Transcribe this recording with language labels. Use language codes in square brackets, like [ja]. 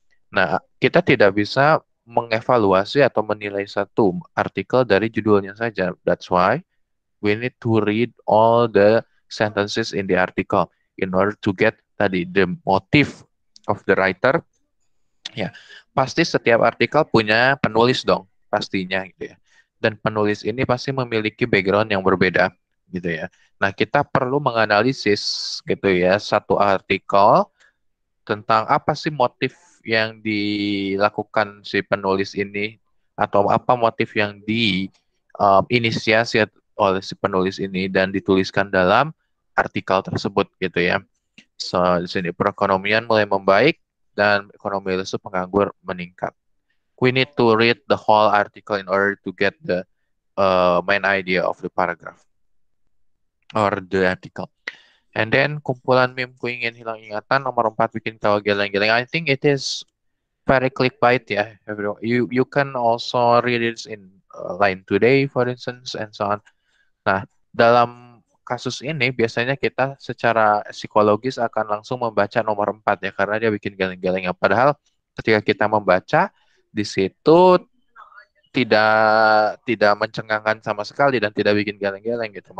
[id] Nah, kita tidak bisa mengevaluasi atau menilai satu artikel dari judulnya saja. [en] That's why we need to read all the sentences in the article in order to get tadi the motif of the writer. [id] Ya, pasti setiap artikel punya penulis dong, pastinya gitu ya. Dan penulis ini pasti memiliki background yang berbeda, gitu ya. Nah, kita perlu menganalisis, gitu ya, satu artikel tentang apa sih motif yang dilakukan si penulis ini, atau apa motif yang diinisiasi oleh si penulis ini dan dituliskan dalam artikel tersebut, gitu ya. So, di sini perekonomian mulai membaik dan ekonomi lesu, penganggur meningkat. [en] We need to read the whole article in order to get the main idea of the paragraph or the article. And then [id] kumpulan meme ku ingin hilang ingatan nomor 4 bikin tawa geleng-geleng. [en] I think it is very clickbait ya. Yeah. You can also read it in Line Today for instance and so on. [id] Nah, dalam kasus ini biasanya kita secara psikologis akan langsung membaca nomor 4 ya karena dia bikin geleng-geleng. Padahal ketika kita membaca di situ tidak mencengangkan sama sekali dan tidak bikin geleng-geleng gitu.